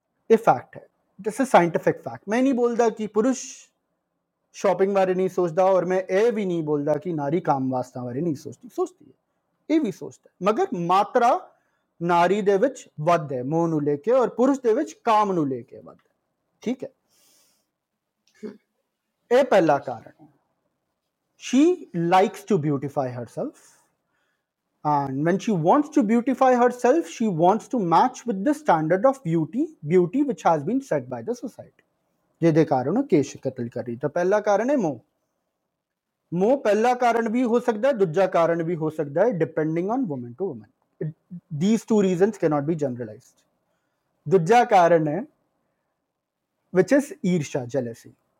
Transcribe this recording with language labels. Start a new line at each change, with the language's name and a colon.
Punjabi: ਇਹ ਫੈਕਟ ਹੈ,
English: This is scientific fact.
Punjabi: ਮੈਂ ਨਹੀਂ ਬੋਲਦਾ ਕਿ ਪੁਰਸ਼ ਸ਼ੋਪਿੰਗ ਬਾਰੇ ਨਹੀਂ ਸੋਚਦਾ, ਔਰ ਮੈਂ ਇਹ ਵੀ ਨਹੀਂ ਬੋਲਦਾ ਕਿ ਨਾਰੀ ਕਾਮ ਵਾਸਨਾ ਬਾਰੇ ਨਹੀਂ ਸੋਚਦੀ। ਸੋਚਦੀ ਹੈ, ਇਹ ਵੀ ਸੋਚਦਾ, ਮਗਰ ਮਾਤਰਾ ਨਾਰੀ ਦੇ ਵਿੱਚ ਵੱਧ ਹੈ ਮੋਹ ਨੂੰ ਲੈ ਕੇ, ਔਰ ਪੁਰਸ਼ ਦੇ ਵਿੱਚ ਕਾਮ ਨੂੰ ਲੈ ਕੇ ਵੱਧ, ਠੀਕ ਹੈ। ਇਹ ਪਹਿਲਾ ਕਾਰਨ,
English: She likes to beautify herself. And when she wants to beautify herself, she wants to match with the standard of beauty which has been set by the society.
Punjabi: ਜਿਹਦੇ ਕਾਰਨ ਉਹ ਕੇਸ਼ ਕਤਲ ਕਰੀ ਤਾਂ ਪਹਿਲਾ ਕਾਰਨ ਹੈ ਮੋਹ ਮੋਹ ਪਹਿਲਾ ਕਾਰਨ ਵੀ ਹੋ ਸਕਦਾ ਦੂਜਾ ਕਾਰਨ ਵੀ ਹੋ ਸਕਦਾ ਹੈ
English: depending on woman to woman these two reasons can not be generalized
Punjabi: ਦੂਜਾ ਕਾਰਨ ਹੈ ਵਿਚ ਇਜ਼ ਈਰਸ਼ਾ ਜੈਲਸੀ